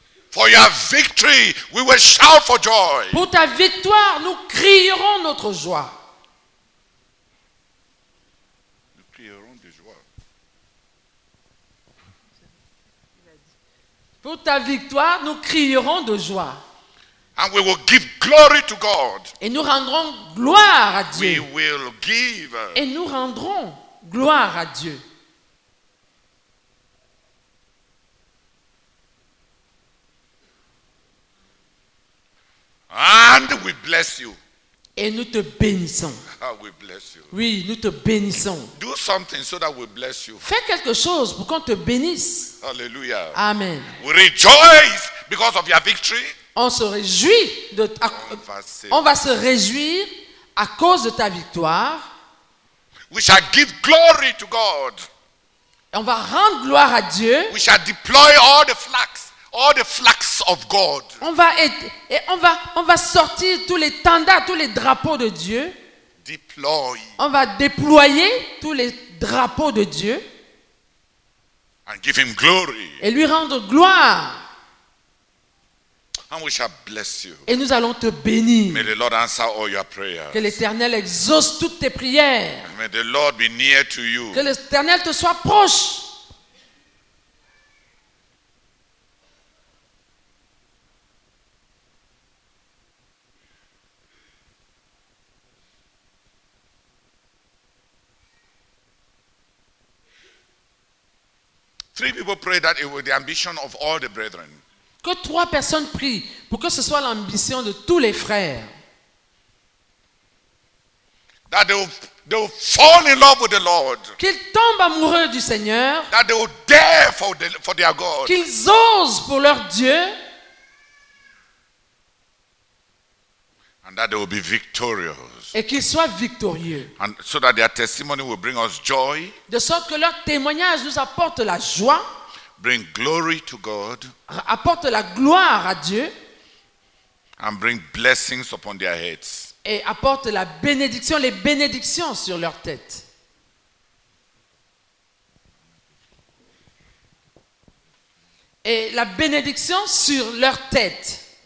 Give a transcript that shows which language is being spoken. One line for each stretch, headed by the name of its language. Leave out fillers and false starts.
English: For your victory, we will shout for joy.
French: Pour ta victoire, nous crierons notre joie. Nous crierons de joie. Pour ta victoire, nous crierons de joie.
English: And we will give glory to God.
French: Et nous rendrons gloire à Dieu.
English: We will give.
French: Et nous rendrons gloire à Dieu.
English: And we bless you.
French: Et nous te bénissons.
English: We bless you.
French: Oui, nous te bénissons.
English: Do something so that we bless you.
French: Fais quelque chose pour qu'on te bénisse. Alléluia. Amen.
English: We rejoice because of your victory.
French: On se réjouit de ta. On va se réjouir à cause de ta victoire.
English: We shall give glory to God.
French: On va rendre gloire à Dieu.
English: We shall deploy all the flags. All the flags of God.
French: On va sortir tous les tendards, tous les drapeaux de Dieu.
English: Deploy.
French: On va déployer tous les drapeaux de Dieu.
English: And give him glory.
French: Et lui rendre gloire.
English: And we shall bless you.
French: Et nous allons te bénir.
English: May the Lord answer all your prayers.
French: Que l'Éternel exauce toutes tes prières.
English: May the Lord be near to you.
French: Que l'Éternel te soit proche.
English: Three people pray that it was the ambition of all the brethren.
French: Que trois personnes prient pour que ce soit l'ambition de tous les frères.
English: That they will fall in love with the Lord.
French: Qu'ils tombent amoureux du Seigneur.
English: That they will dare for their God.
French: Qu'ils osent pour leur Dieu.
English: And that they will be victorious.
French: Et qu'ils soient victorieux.
English: And so that their testimony will bring us joy.
French: De sorte que leur témoignage nous apporte la joie.
English: Bring glory to God.
French: Apporte la gloire à Dieu.
English: And bring blessings upon their heads.
French: Et apporte la bénédiction, les bénédictions sur leur tête. Et la bénédiction sur leur tête.